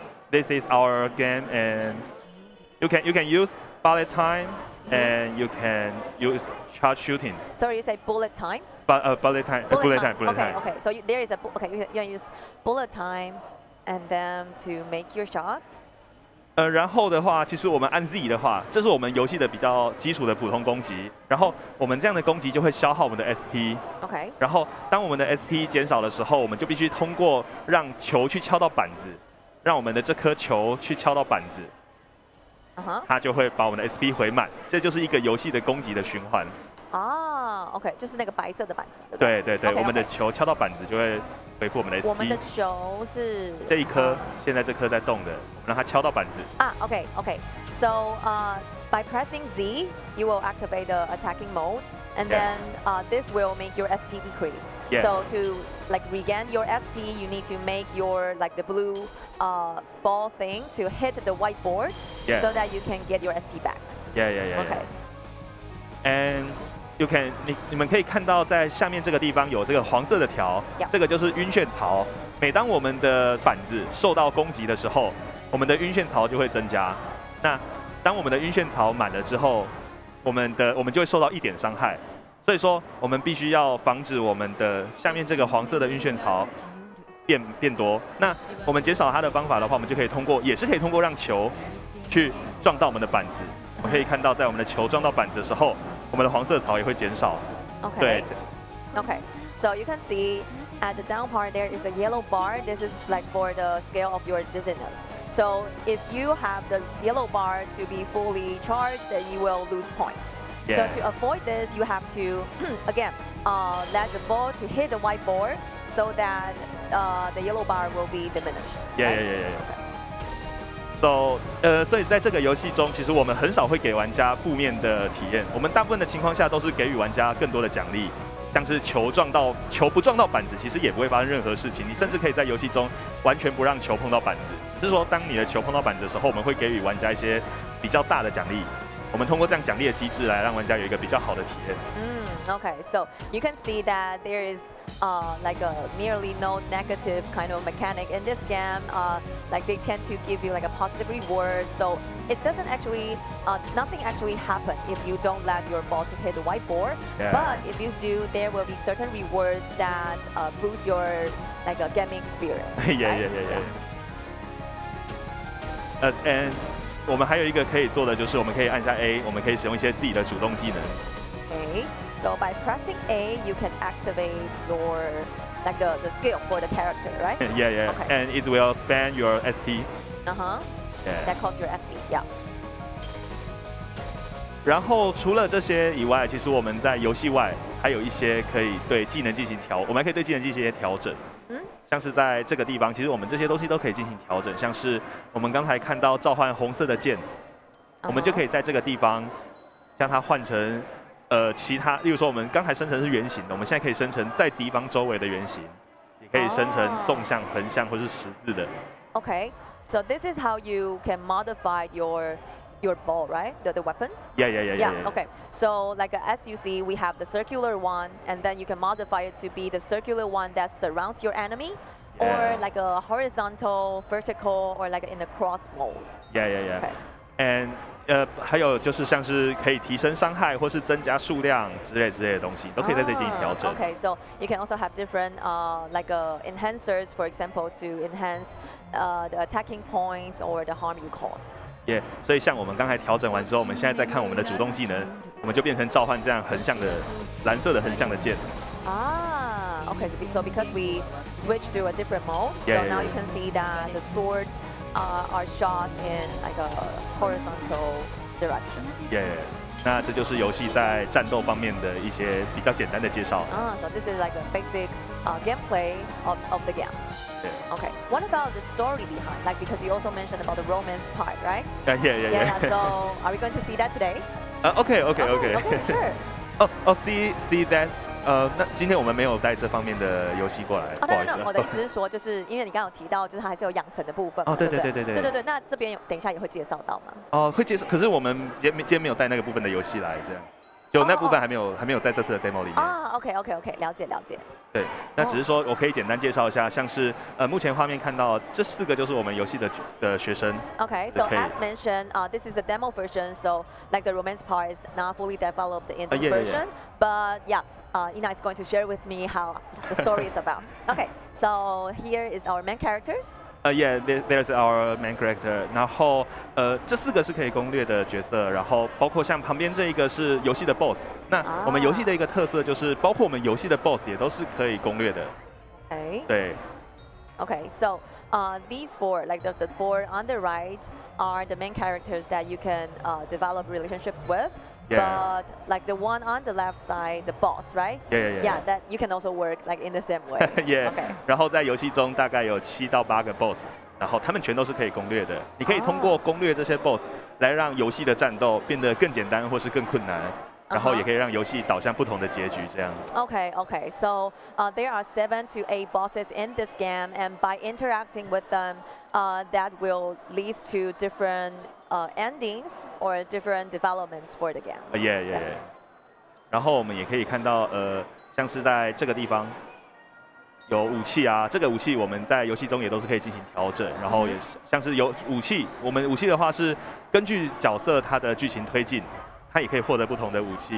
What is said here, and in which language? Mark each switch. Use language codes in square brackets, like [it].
[en] This is our game and You can use bullet time, and you can use charge shooting. Sorry, you say bullet time? Bullet time. Okay, so you can use bullet time, and then to make your shots. [zh] 然后的话，其实我们按 Z 的话，这是我们游戏的比较基础的普通攻击。然后我们这样的攻击就会消耗我们的 SP。 [en] Okay. [zh] 然后当我们的 SP 减少的时候，我们就必须通过让球去敲到板子，让我们的这颗球去敲到板子。 [en] Uh-huh. [zh] 它就会把我们的 SP 回满，这就是一个游戏的攻击的循环。啊、OK， 就是那个白色的板子。对，我们的球敲到板子就会回复我们的 SP。我们的球是这一颗，现在这颗在动的，让它敲到板子。啊、OK，OK。 [en] So, by pressing Z, you will activate the attacking mode, and then, this will make your SP decrease. Yeah. So to like regain your SP, you need to make your like the blue, ball thing to hit the whiteboard. Yeah. So that you can get your SP back. Yeah. Okay. And you can, [zh] 你们可以看到在下面这个地方有这个黄色的条， [en] yeah. [zh] 这个就是晕眩槽。每当我们的板子受到攻击的时候，我们的晕眩槽就会增加。那当我们的晕眩槽满了之后，我们就会受到一点伤害，所以说我们必须要防止我们的下面这个黄色的晕眩槽变多。那我们减少它的方法的话，我们就可以通过，也是可以通过让球去撞到我们的板子。我们可以看到，在我们的球撞到板子的时候，我们的黄色槽也会减少。 [en] Okay. [zh] 对。 [en] Okay. So you can see at the down part there is a yellow bar. This is like for the scale of your dizziness. So if you have the yellow bar to be fully charged, then you will lose points. Yeah. So to avoid this, you have to, again, let the ball to hit the white board so that the yellow bar will be diminished. [zh] So, 在这个游戏中，其实我们很少会给玩家负面的体验。我们大部分的情况下都是给予玩家更多的奖励。像是球不撞到板子，其实也不会发生任何事情。你甚至可以在游戏中完全不让球碰到板子，只是说当你的球碰到板子的时候，我们会给予玩家一些比较大的奖励。我们通过这样奖励的机制来让玩家有一个比较好的体验。 [en] Okay, so you can see that there is like a nearly no negative kind of mechanic in this game. Like they tend to give you like a positive reward. So it doesn't actually, nothing actually happen if you don't let your ball to hit the whiteboard. Yeah. But if you do, there will be certain rewards that boost your like a gaming experience. Yeah. [zh] And 我们还有一个可以做的就是我们可以按下 A, 我们可以使用一些自己的主动技能。 [en] Okay. So by pressing A, you can activate your, like the skill for the character, right? Yeah. Okay. And it will spend your SP. Uh-huh. Yeah. That costs your SP, yeah. [zh] 然后除了这些以外，其实我们在游戏外还有一些可以对技能进行调，我们还可以对技能进行一些调整。像是在这个地方，其实我们这些东西都可以进行调整。像是我们刚才看到召唤红色的剑，我们就可以在这个地方将它换成。其他，例如说我们刚才生成是圆形的，我们现在可以生成在敌方周围的圆形，也可以生成纵向、横向或是十字的。 [en] Okay, so this is how you can modify your ball, right? The weapon? Yeah. Okay, so like as you see, we have the circular one, and then you can modify it to be the circular one that surrounds your enemy, or like a horizontal, vertical, or like in the cross mold. Yeah. Okay. [zh] And还有就是像是可以提升伤害或是增加数量之类的东西，都可以在这里进行调整。 [en] Okay, so you can also have different enhancers, for example, to enhance the attacking points or the harm you caused. [zh] Yeah, 所以像我们刚才调整完之后，我们现在再看我们的主动技能，我们就变成召唤这样横向的蓝色的横向的剑。 [en] Okay, so because we switch to a different mode, yeah, so now you can see that the swords. Are shot in like a horizontal direction. [zh] Yeah, 那这就是游戏在战斗方面的一些比较简单的介绍。 [en] So this is like a basic gameplay of the game. Yeah. Okay. What about the story behind? Like because you also mentioned about the romance part, right? Yeah. So are we going to see that today? Okay. Okay. Sure. See that. [zh] 那今天我们没有带这方面的游戏过来，不好意思。我的意思是说，就是因为你刚刚有提到，就是它还是有养成的部分。哦，对。那这边等一下也会介绍到吗？哦，会介绍，可是我们今天没有带那个部分的游戏来，这样，就那部分还没有在这次的 demo 里面。 OK， 了解。对，那只是说我可以简单介绍一下，像是目前画面看到这四个就是我们游戏的学生。 [en] Okay, so as mentioned, this is a demo version, so like the romance part is not fully developed in this version, but yeah. Ina is going to share with me how the story is about. Okay, so here is our main characters. There's our main character. [zh] 然后，这四个是可以攻略的角色，然后包括像旁边这一个是游戏的 boss. 那我们游戏的一个特色就是，包括我们游戏的 boss 也都是可以攻略的。哎。对。 [en] Okay, so these four, like the four on the right, are the main characters that you can develop relationships with. Yeah. But like the one on the left side, the boss, right? Yeah. That you can also work like in the same way. yeah. Okay. [zh] 然后在游戏中大概有七到八个 boss， 然后他们全都是可以攻略的。你可以通过攻略这些 boss 来让游戏的战斗变得更简单或是更困难，然后也可以让游戏导向不同的结局这样。 [en] Okay. So there are 7 to 8 bosses in this game, and by interacting with them, that will lead to different. Endings or different developments for the game. Yeah. [zh] 然后我们也可以看到，像是在这个地方有武器啊，这个武器我们在游戏中也都是可以进行调整。然后也像是有武器，我们武器的话是根据角色他的剧情推进，他也可以获得不同的武器。